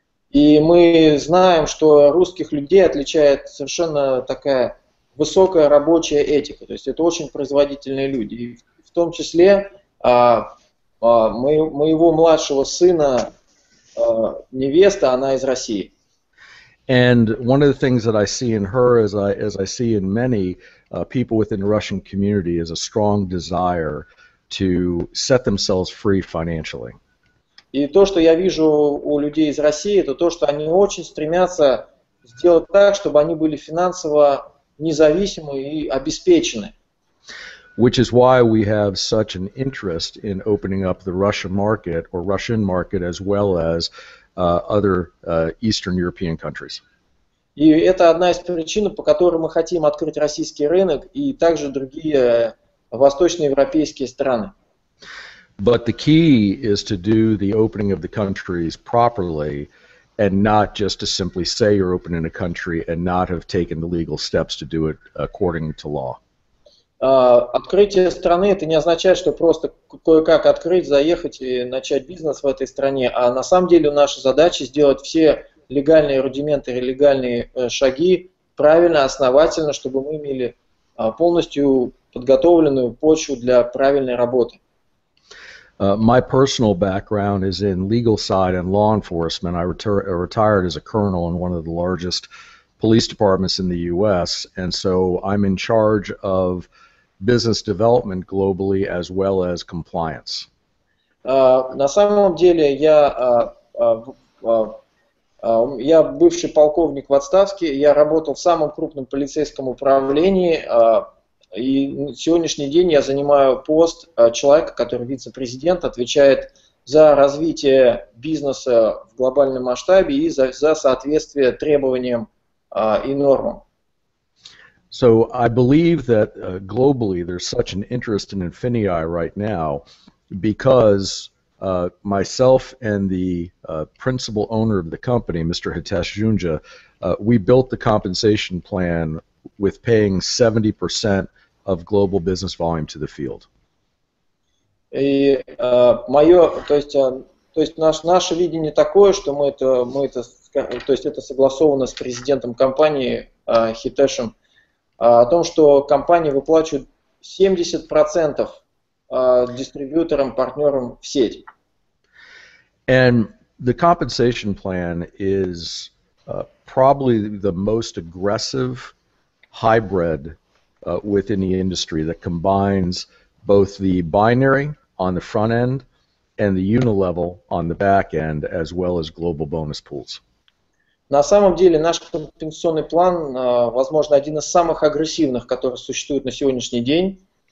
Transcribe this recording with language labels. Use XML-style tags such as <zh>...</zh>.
<ru>И мы знаем, что русских людей отличает совершенно такая высокая рабочая этика. То есть это очень производительные люди. И в том числе моего младшего сына невеста, она из России.</ru> <en>And one of the things that I see in her, as I see in many people within the Russian community, is a strong desire to set themselves free financially.</en> <ru>И то, что я вижу у людей из России, это то, что они очень стремятся сделать так, чтобы они были финансово независимы и обеспечены.</ru> <en>Which is why we have such an interest in opening up the Russian market or Russian market as well as other Eastern European countries.</en> <ru>И это одна из причин, по которой мы хотим открыть российский рынок и также другие восточноевропейские страны.</ru> <en>But the key is to do the opening of the countries properly and not just to simply say you're opening a country and not have taken the legal steps to do it according to law.</en> <ru>Открытие страны, это не означает, что просто кое-как открыть, заехать и начать бизнес в этой стране, а на самом деле наша задача сделать все легальные рудименты, легальные шаги правильно, основательно, чтобы мы имели полностью подготовленную почву для правильной работы.</ru> <en>My personal background is in legal side and law enforcement. I retired as a colonel in one of the largest police departments in the U.S., and so I'm in charge of business development globally as well as compliance.</en> <ru>На самом деле я бывший полковник в отставке, я работал в самом крупном полицейском управлении, и на сегодняшний день я занимаю пост человека, который вице-президент, отвечает за развитие бизнеса в глобальном масштабе и за соответствие требованиям и нормам.</ru> <en>So I believe that globally there's such an interest in Infinii right now because myself and the principal owner of the company, Mr. Hitesh Junja, we built the compensation plan with paying 70% of global business volume to the field.</en> <ru>И наше видение такое, что это согласовано с президентом компании Хитешем. О том, что компания выплачивает 70% дистрибьюторам, партнерам в сети.</ru> <en>And the compensation plan is probably the most aggressive hybrid within the industry that combines both the binary on the front end and the unilevel on the back end, as well as global bonus pools.</en> <ru>На самом деле наш компенсационный план, возможно, один из самых агрессивных, который существует на сегодняшний день.</ru>